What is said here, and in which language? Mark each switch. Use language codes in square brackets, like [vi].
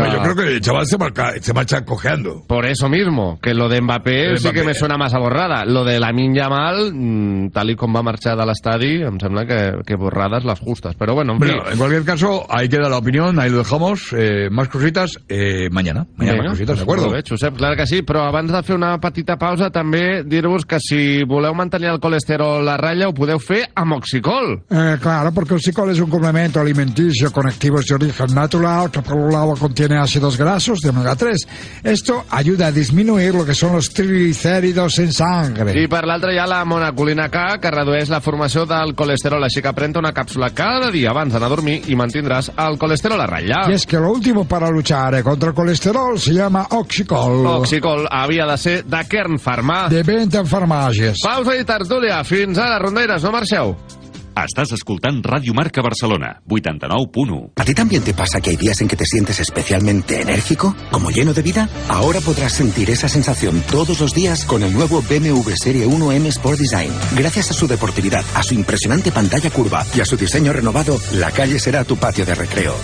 [es] Hombre, yo creo que el chaval se marcha cojeando. Por eso mismo, que lo de Mbappé sí Mbappé. Que me suena más a borrada. Lo de Lamine Yamal, tal y como va a marchar [ca] de l'estadi, em sembla que [es] borradas las justas. Pero bueno, en fin. En cualquier caso, ahí queda la opinión, ahí lo dejamos. Más cositas, mañana. Mañana venga, más cositas, pues, ¿de acuerdo? [ca] Bé, Josep, clar que sí, però abans de fer una petita pausa, també dir-vos que si voleu mantenir el colesterol a ratlla, ho podeu fer amb Oxicol. [es] Claro, porque el Oxicol es un complemento alimenticio con activos de origen natural que por un lado contiene ácidos grasos de omega 3. Esto ayuda a disminuir lo que son los triglicéridos en sangre. [ca] I per l'altre hi ha la monacolina K, que redueix la formació del colesterol. Així que pren una càpsula cada dia abans d'anar a dormir i mantindràs el colesterol a ratlla. I és que [es] l'último para luchar contra el colesterol se llama Oxicol. [ca] Oxicol havia de ser de Kern Pharma. De Benten Farmàcies. Pausa i tertúlia. Fins ara, rondaires, no marxeu. Estàs escoltant Ràdio Marca Barcelona, 89.1. [es] ¿A ti también te pasa que hay días en que te sientes especialmente enérgico, como lleno de vida? Ahora podrás sentir esa sensación todos los días con el nuevo BMW Serie 1 M Sport Design. Gracias a su deportividad, a su impresionante pantalla curva y a su diseño renovado, la calle será tu patio de recreo.